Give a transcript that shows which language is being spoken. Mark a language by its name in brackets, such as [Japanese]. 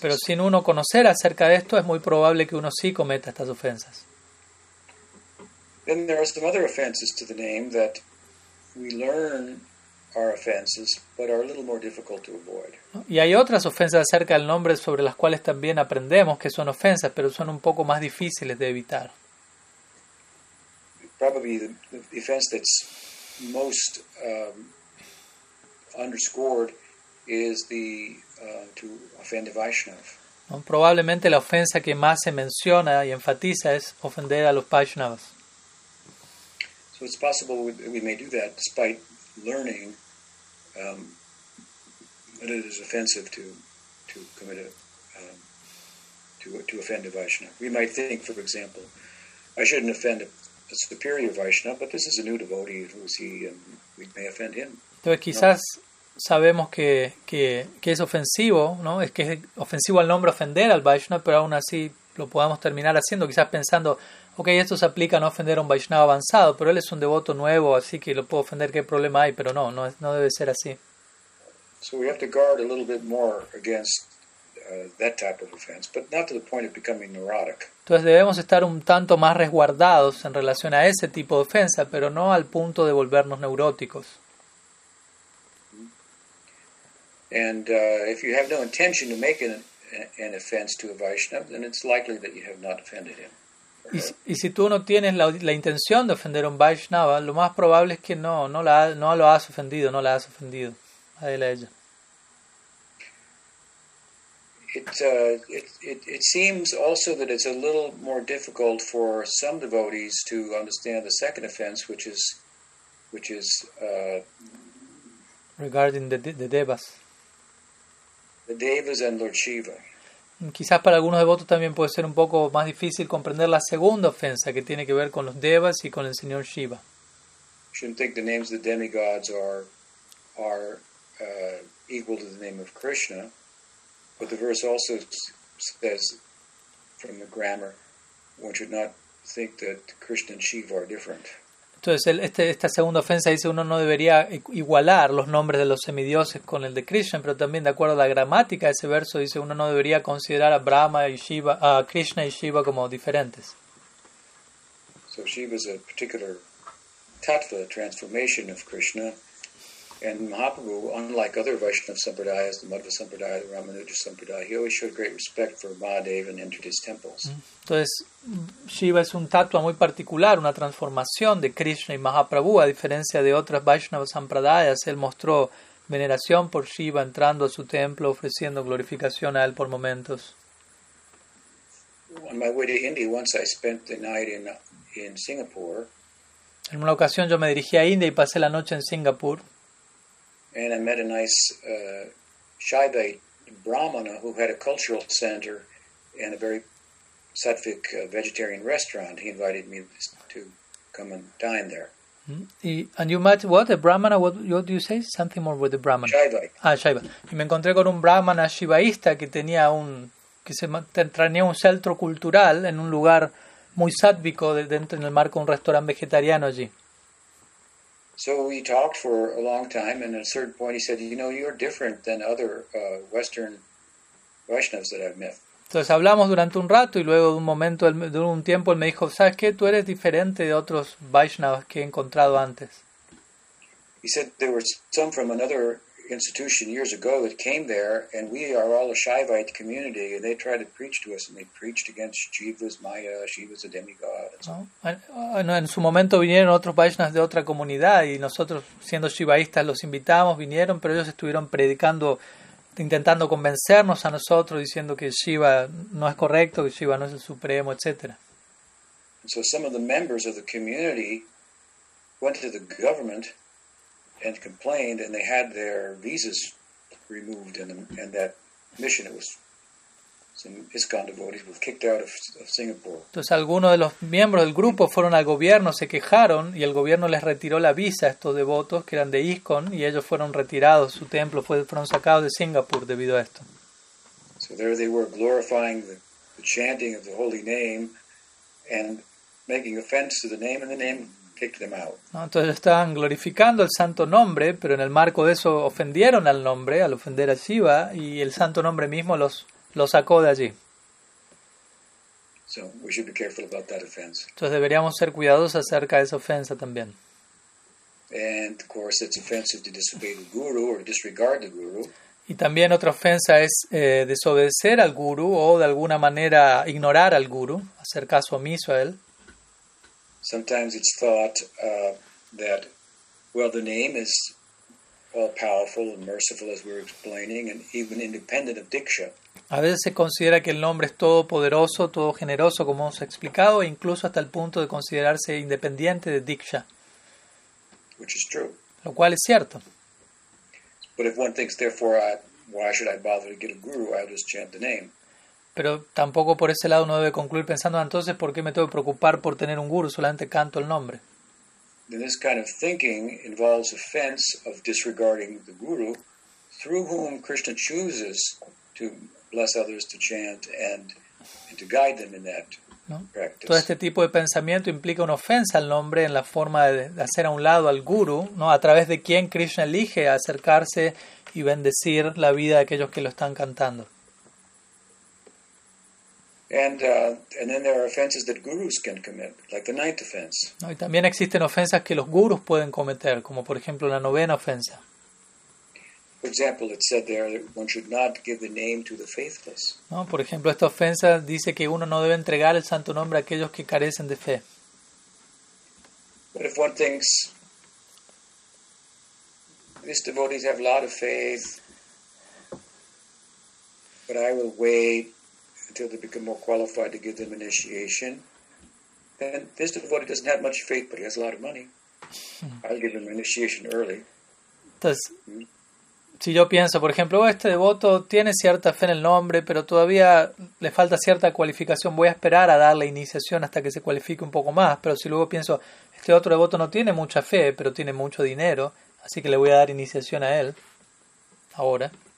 [Spanish] Pero sin uno conocer acerca de esto, es muy probable que uno sí cometa estas ofensas. [English] Then there are some other offenses to the name that we learn are offenses, but are a little more difficult to avoid. [Spanish] Y hay otras ofensas acerca del nombre sobre las cuales también aprendemos que son ofensas, pero son un poco más difíciles de evitar. [English] Probably the offense that's most underscored is the to offend a Vaishnava. [Spanish] No, probablemente la ofensa que más se menciona y enfatiza es ofender a los Vaishnavas. [English] So it's possible we may do that despite learning that it is offensive to offend a Vaishnava. We might think, for example, I shouldn't offend a superior Vaishnava, but this is a new devotee who is he, and we may offend him. [Spanish] Entonces quizás no. Sabemos que es ofensivo, ¿no? Es que es ofensivo al nombre ofender al Vaishnava, pero aún así lo podamos terminar haciendo, quizás pensando, ok, esto se aplica a no ofender a un Vaishnava avanzado, pero él es un devoto nuevo, así que lo puedo ofender, ¿qué problema hay? Pero no debe ser así. [English] So we have to guard a little bit more against that type of offense, but not to the point of becoming neurotic. [Spanish] Entonces debemos estar un tanto más resguardados en relación a ese tipo de ofensa, pero no al punto de volvernos neuróticos. [English] And if you have no intention to make an offense to a Vaishnava, then it's likely that you have not offended him. [Spanish] Y si tú no tienes la intención de ofender a un Vaishnava, lo más probable es que no la has ofendido. Adelante. [English] It seems also that it's a little more difficult for some devotees to understand the second offense, which is regarding the devas. The devas and Lord Shiva. [Spanish] Quizás para algunos devotos también puede ser un poco más difícil comprender la segunda ofensa que tiene que ver con los devas y con el señor Shiva. [English] You shouldn't think the names of the demigods are equal to the name of Krishna. But the verse also says, from the grammar, one should not think that Krishna and Shiva are different. [Spanish] Entonces, esta segunda ofensa dice uno no debería igualar los nombres de los semidioses con el de Krishna, pero también de acuerdo a la gramática de ese verso dice uno no debería considerar a Brahma y Shiva, a Krishna y Shiva como diferentes. [English] So Shiva is a particular tattva, transformation of Krishna. And Mahaprabhu, unlike other Vaishnava Sampradayas, the Madhva Sampradaya, the Ramanuja Sampradaya, he always showed great respect for Mahadev and entered his temples. [Spanish] Entonces, Shiva es un tatua muy particular, una transformación de Krishna y Mahaprabhu, a diferencia de otras Vaishnava Sampradayas. Él mostró veneración por Shiva entrando a su templo, ofreciendo glorificación a él por momentos. [English] On my way to India, once I spent the night in Singapore. [Spanish] En una ocasión yo me dirigí a India y pasé la noche en Singapur. [English] And I met a nice Shaivite Brahmana who had a cultural center and a very sattvic vegetarian restaurant. He invited me to come and dine there. And you met what? A Brahmana? What do you say? Something more with the Brahmana. Shaivite. Ah, Shaiva. [Spanish] Y me encontré con un Brahmana Shivaísta que tenía un centro cultural en un lugar muy sattvico dentro en el marco de un restaurante vegetariano allí. [English] So we talked for a long time, and at a certain point he said, you know, you're different than other Western Vaishnavas that I've met. [Spanish] Entonces hablamos durante un rato, y luego de un tiempo él me dijo, ¿sabes qué? Tú eres diferente de otros Vaishnavas que he encontrado antes. [English] He said there were some from another institution years ago that came there, and we are all a Shaivite community, and they tried to preach to us, and they preached against Jiva's Maya, Jiva's a demigod. [Spanish] No, en su momento vinieron otros Vaishnavas de otra comunidad, y nosotros, siendo Shivaístas, los invitamos, vinieron, pero ellos estuvieron predicando, intentando convencernos a nosotros, diciendo que Shiva no es correcto, que Shiva no es el supremo, etc. [English] So some of the members of the community went to the government and complained, and they had their visas removed, and that mission, it was some ISKCON devotees were kicked out of Singapore. [Spanish] Entonces algunos de los miembros del grupo fueron al gobierno, se quejaron, y el gobierno les retiró la visa a estos devotos que eran de ISKCON, y ellos fueron retirados, su templo fueron sacados de Singapore debido a esto. [English] So there they were glorifying the chanting of the holy name and making offense to the name, and the name kicked them out. [Spanish] Entonces estaban glorificando el santo nombre, pero en el marco de eso ofendieron al nombre, al ofender a Shiva, y el santo nombre mismo los sacó de allí. [English] So we should be careful about that offense. [Spanish] Entonces deberíamos ser cuidadosos acerca de esa ofensa también. [English] And of course it's offensive to disobey the guru or disregard the guru. [Spanish] Y también otra ofensa es desobedecer al guru o de alguna manera ignorar al guru, hacer caso omiso a él. [English] Sometimes it's thought that, well, the name is all-powerful and merciful, as we're explaining, and even independent of diksha. [Spanish] A veces se considera que el nombre es todopoderoso, todo generoso, como hemos explicado, incluso hasta el punto de considerarse independiente de diksha. [English] Which is true. [Spanish] Lo cual es cierto. [English] But if one thinks, therefore, why should I bother to get a guru? I'll just chant the name. [Spanish] Pero tampoco por ese lado uno debe concluir pensando, entonces, ¿por qué me tengo que preocupar por tener un guru? Solamente canto el nombre. [English] This kind of thinking involves offense of disregarding the guru through whom Krishna chooses to bless others, to chant, and to guide them in that practice. [Spanish] Todo este tipo de pensamiento implica una ofensa al nombre en la forma de hacer a un lado al guru, ¿no? A través de quien Krishna elige acercarse y bendecir la vida de aquellos que lo están cantando. [English] And then there are offenses that gurus can commit, like the ninth offense. [Spanish] No, y también existen ofensas que los gurus pueden cometer, como por ejemplo la novena ofensa. [English] For example, it said there that one should not give the name to the faithless. [Spanish] No, por ejemplo, esta ofensa dice que uno no debe entregar el santo nombre a aquellos que carecen de fe. [English] But if one thinks these devotees have a lot of faith, but I will wait until they become more qualified to give them initiation, then this devotee doesn't have much faith, but he has a lot of money. I'll give him initiation early. [Spanish] Entonces, si yo pienso, por ejemplo, este devoto tiene cierta fe en el nombre, pero todavía le falta cierta cualificación, voy a esperar a darle iniciación hasta que se cualifique un poco más. Pero si luego pienso, este otro devoto no tiene mucha fe, pero tiene mucho dinero, así que le voy a dar iniciación a él ahora.